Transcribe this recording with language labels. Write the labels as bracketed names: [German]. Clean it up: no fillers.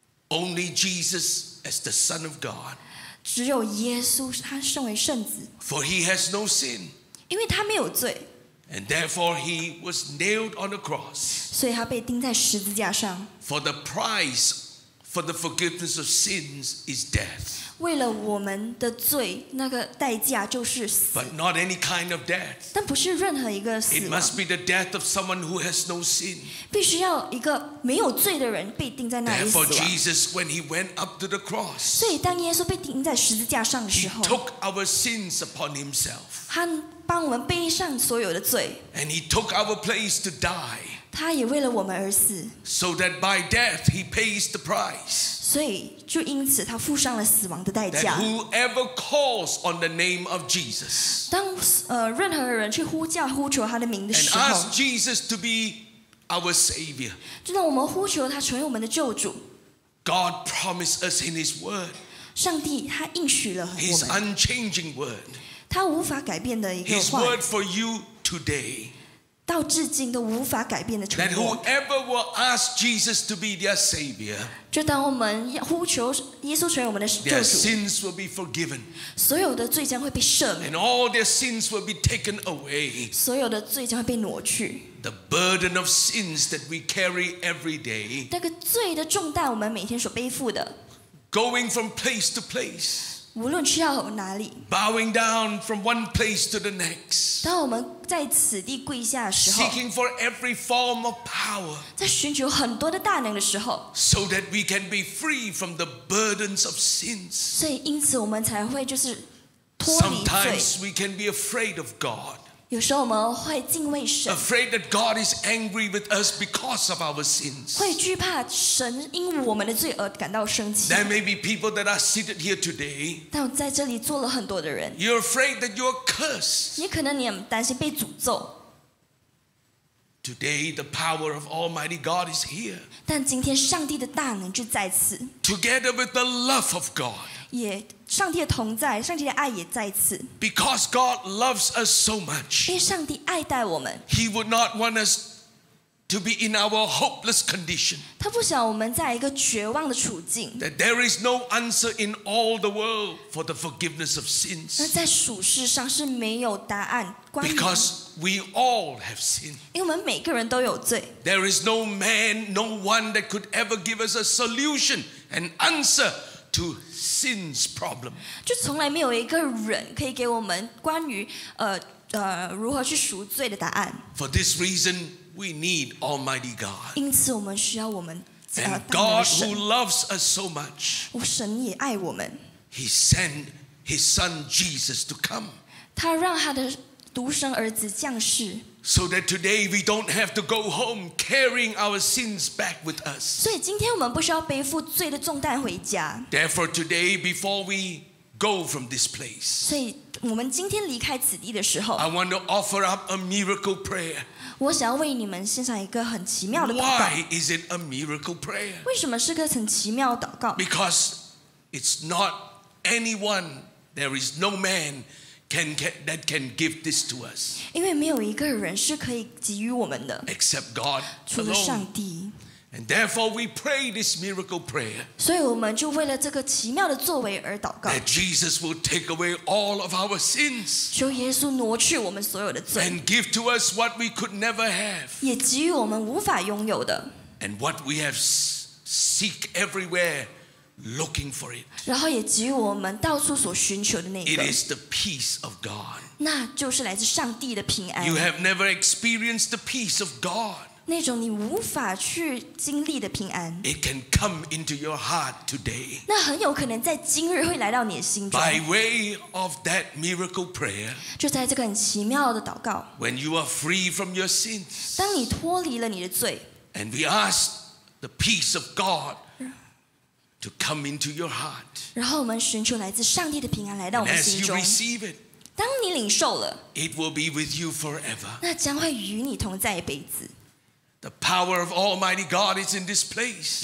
[English] Only Jesus as the Son of God. For he has no sin. And therefore he was nailed on the cross. For the price For the forgiveness of sins is death. [Chinese] 为了我们的罪，那个代价就是死。 [English] But not any kind of death. [Chinese] 但不是任何一个死亡。 [English] It must be the death of someone who has no sin. [Chinese] 必须要一个没有罪的人被钉在那里死亡。 [English] Therefore, Jesus, when he went up to the cross, [Chinese] 所以当耶稣被钉在十字架上的时候 [English] ，He took our sins upon himself. [Chinese] 他帮我们背上所有的罪。 [English] And he took our place to die. [Chinese] 他也为了我们而死。 [English] So that by death he pays the price. [Chinese] 所以就因此他付上了死亡的代价。 [English] Whoever calls on the name of Jesus， [Chinese] 当任何人去呼叫呼求他的名的时候 [English] ，and ask Jesus to be our Savior， [Chinese] 就当我们呼求他成为我们的救主。 [English] God promised us in His Word， [Chinese] 上帝他应许了我们。 [English] His unchanging Word， [Chinese] 他无法改变的一个话。 [English] His Word for you today。 [Chinese] 到至今都无法改变的承诺。 [English] That whoever will ask Jesus to be their savior， [Chinese] 就当我们呼求耶稣成为我们的救主 [English] ，their sins will be forgiven， [Chinese] 所有的罪将会被赦免 [English] ，and all their sins will be taken away， [Chinese] 所有的罪将会被挪去。 [English] The burden of sins that we carry every day， [Chinese] 那个罪的重担我们每天所背负的 [English] ，going from place to place。 [Chinese] 无论去到哪里 [English] ，bowing down from one place to the next， [Chinese] 当我们在此地跪下的时候 [English] ，seeking for every form of power， [Chinese] 在寻求很多的大能的时候 [English] ，so that we can be free from the burdens of sins， [Chinese] 所以因此我们才会就是脱离罪。 [English] Sometimes we can be afraid of God， [Chinese] 有时候我们会敬畏神 [English] ，afraid that God is angry with us because of our sins， [Chinese] 会惧怕神因我们的罪而感到生气。 [English] There may be people that are seated here today， [Chinese] 但在这里坐了很多的人。 [English] You're afraid that you're cursed， [Chinese] 你可能你很担心被诅咒。 [English] Today the power of Almighty God is here， [Chinese] 但今天上帝的大能就在此。 [English] Together with the love of God， [Chinese] 也上帝的同在，上帝的爱也在此。 [English] Because God loves us so much， [Chinese] 因为上帝爱待我们。 [English] He would not want us to be in our hopeless condition， [Chinese] 他不想我们在一个绝望的处境。 [English] That there is no answer in all the world for the forgiveness of sins， [Chinese] 那在属世上是没有答案。 [English] Because we all have sinned， [Chinese] 因为我们每个人都有罪。 [English] There is no man, no one that could ever give us a solution, an answer to sin's problem， [Chinese] 就从来没有一个人可以给我们关于如何去赎罪的答案。 [English] For this reason, we need Almighty God， [Chinese] 因此我们需要我们大能的 [English] 神。God who loves us so much， [Chinese] 我神也爱我们。 [English] He sent His Son Jesus to come， [Chinese] 他让他的独生儿子降世。 [English] So that today we don't have to go home carrying our sins back with us。 [Chinese] 所以今天我们不需要背负罪的重担回家。 [English] Therefore today before we go from this place， [Chinese] 所以我们今天离开此地的时候 [English] ，I want to offer up a miracle prayer。 [Chinese] 我想要为你们献上一个很奇妙的祷告。 [English] Why is it a miracle prayer？ [Chinese] 为什么是个很奇妙的祷告 [English] ？Because it's not anyone， there is no man。 That can give this to us， [Chinese] 因为没有一个人是可以给予我们的 [English] ，except God， [Chinese] 除了上帝。 [English] And therefore we pray this miracle prayer， [Chinese] 所以我们就为了这个奇妙的作为而祷告。 [English] That Jesus will take away all of our sins， [Chinese] 求耶稣挪去我们所有的罪。 [English] And give to us what we could never have， [Chinese] 也给予我们无法拥有的。 [English] And what we have seek everywhere。 Looking for it， [Chinese] 然后也给予我们到处所寻求的那个。 [English] It is the peace of God， [Chinese] 那就是来自上帝的平安。 [English] You have never experienced the peace of God， [Chinese] 那种你无法去经历的平安。 [English] It can come into your heart today， [Chinese] 那很有可能在今日会来到你的心中。 [English] By way of that miracle prayer， [Chinese] 就在这个很奇妙的祷告。 [English] When you are free from your sins， [Chinese] 当你脱离了你的罪。 [English] And we ask the peace of God。 To come into your heart， [Chinese] 然后我们寻求来自上帝的平安来到我们心中。 [English] And as you receive it， [Chinese] 当你领受了， [English] it will be with you forever， [Chinese] 那将会与你同在一辈子。 [English] The power of Almighty God is in this place，